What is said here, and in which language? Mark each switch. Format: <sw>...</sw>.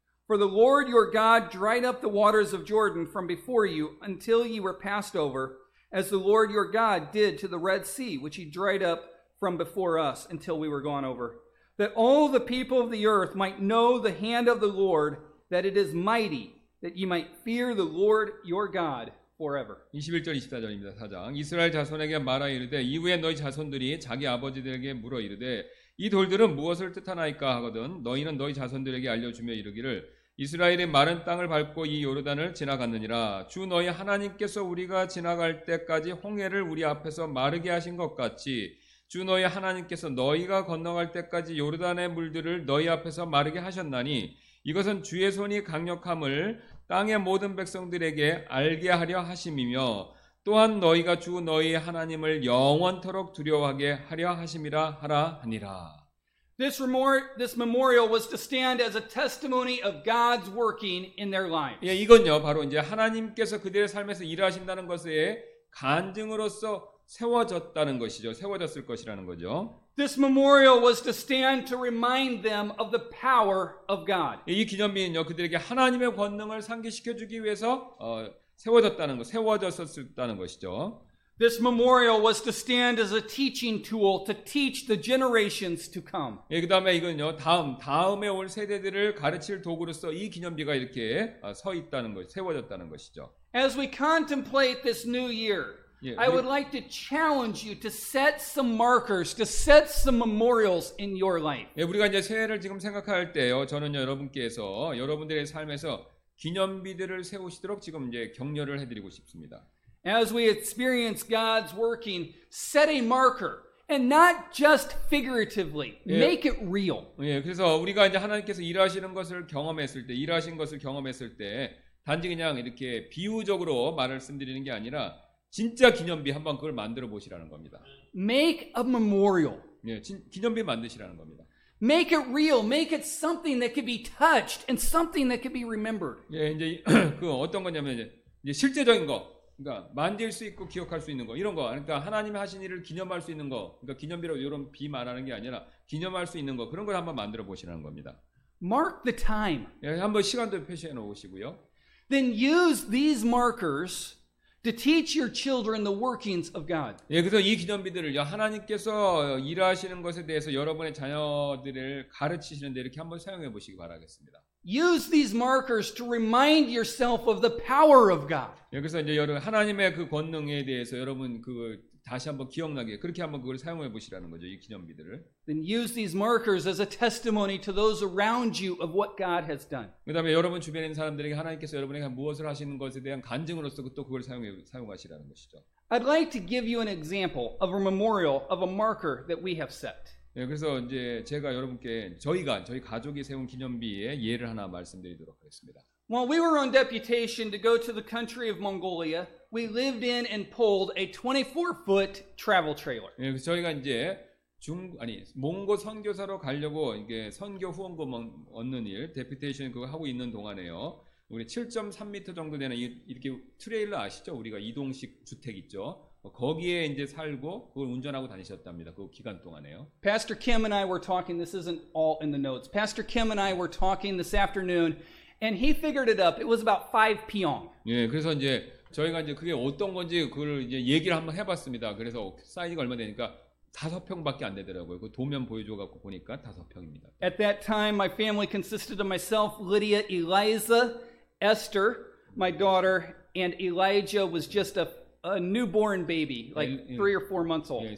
<en>For the Lord your God dried up the waters of Jordan from before you until ye were passed over, as the Lord your God did to the Red Sea, which he dried up from before us until we were gone over. That all the people of the earth might know the hand of the Lord, that it is mighty, that ye might fear the Lord your God forever."</en> <ko>21절 24절입니다. 4장. 이스라엘 자손에게 말하 이르되 이후에 너희 자손들이 자기 아버지들에게 물어 이르되 이 돌들은 무엇을 뜻하나이까 하거든 너희는 너희 자손들에게 알려주며 이르기를 이스라엘이 마른 땅을 밟고 이 요르단을 지나갔느니라 주 너희 하나님께서 우리가 지나갈 때까지 홍해를 우리 앞에서 마르게 하신 것 같이 주 너희 하나님께서 너희가 건너갈 때까지 요르단의 물들을 너희 앞에서 마르게 하셨나니 이것은 주의 손이 강력함을 땅의 모든 백성들에게 알게 하려 하심이며 또한 너희가 주 너희 하나님을 영원토록 두려워하게 하려 하심이라 하라 하니라.</ko> <en>This memorial was to stand as a testimony of God's working in their lives.</en> <ko>예, 이건요 바로 이제 하나님께서 그들의 삶에서 일하신다는 것의 간증으로서 세워졌다는 것이죠. 세워졌을 것이라는 거죠.</ko> <en>This memorial was to stand to remind them of the power of God.</en> <ko>예, 이 기념비는요 그들에게 하나님의 권능을 상기시켜 주기 위해서 세워졌다는 것, 세워졌었다는 것이죠.</ko> <en>This memorial was to stand as a teaching tool to teach the generations to come.</en> <ko>예, 그다음에 이건요 다음에 올 세대들을 가르칠 도구로서 이 기념비가 이렇게 서 있다는 것, 세워졌다는 것이죠.</ko> <en>As we contemplate this new year,</en> <ko>예, 우리,</ko> <en>I would like to challenge you to set some markers, to set some memorials in your life.</en> <ko>예, 우리가 이제 새해를 지금 생각할 때요, 저는 여러분께서 여러분들의 삶에서 기념비들을 세우시도록 지금 이제 격려를 해드리고 싶습니다.</ko> <en>As we experience God's working, set a marker, and not just figuratively, 예, make it real.</en> <ko>예, 그래서 우리가 이제 하나님께서 일하시는 것을 경험했을 때, 일하신 것을 경험했을 때, 단지 그냥 이렇게 비유적으로 말씀드리는 게 아니라 진짜 기념비 한번 그걸 만들어 보시라는 겁니다.</ko> <en>Make a memorial.</en> <ko>예, 기념비 만드시라는 겁니다.</ko> <en>Make it real. Make it something that could be touched and something that could be remembered.</en> <ko>예, 이제 그 어떤 거냐면 이제 실제적인 거, 그러니까 만질 수 있고 기억할 수 있는 거 이런 거, 그러니까 하나님이 하신 일을 기념할 수 있는 거, 그러니까 기념비로 이런 비 말하는 게 아니라 기념할 수 있는 거 그런 걸 한번 만들어 보시라는 겁니다.</ko> <en>Mark the time.</en> <ko>예, 한번 시간도 표시해 놓으시고요.</ko> <en>Then use these markers to teach your children the workings of God.</en> <ko>예, 그래서 이 기념비들을요 하나님께서 일하시는 것에 대해서 여러분의 자녀들을 가르치시는데 이렇게 한번 사용해 보시기 바라겠습니다.</ko> <en>Use these markers to remind yourself of the power of God.</en> <ko>예, 그래서 이제 여러분 하나님의 그 권능에 대해서 여러분 그 다시 한번 기억나게 그렇게 한번 그걸 사용해 보시라는 거죠 이 기념비들을.</ko> <en>Then use these markers as a testimony to those around you of what God has done.</en> <ko>그다음에 여러분 주변에 있는 사람들에게 하나님께서 여러분에게 무엇을 하시는 것에 대한 간증으로서 또 그걸 사용하시라는 것이죠.</ko> <en>I'd like to give you an example of a memorial of a marker that we have set.</en> <ko>예, 그래서 이제 제가 여러분께 저희 가족이 세운 기념비의 예를 하나 말씀드리도록 하겠습니다.</ko> <en>While we were on deputation to go to the country of Mongolia, we lived in and pulled a 24-foot travel trailer.</en> <ko>예, 저희가 이제 몽고 선교사로 가려고 이게 선교 후원금 얻는 일, 데피테이션 그거 하고 있는 동안에요. 우리 7.3m 정도 되는 이렇게 트레일러 아시죠? 우리가 이동식 주택 있죠. 거기에 이제 살고 그걸 운전하고 다니셨답니다. 그 기간 동안에요.</ko> <en>Pastor Kim and I were talking. This isn't all in the notes. Pastor Kim and I were talking this afternoon, and he figured it up. It was about 5 pyeong.</en> <ko>예, 그래서 이제 저희가 이제 그게 어떤 건지 그걸 이제 얘기를 한번 해봤습니다. 그래서 사이즈가 얼마 되니까 5평밖에 안 되더라고요. 그 도면 보여줘갖고 보니까 5평입니다.</ko> <en>At that time, my family consisted of myself, Lydia, Eliza, Esther, my daughter, and Elijah was just a newborn baby, like 3 or 4 months old.</en>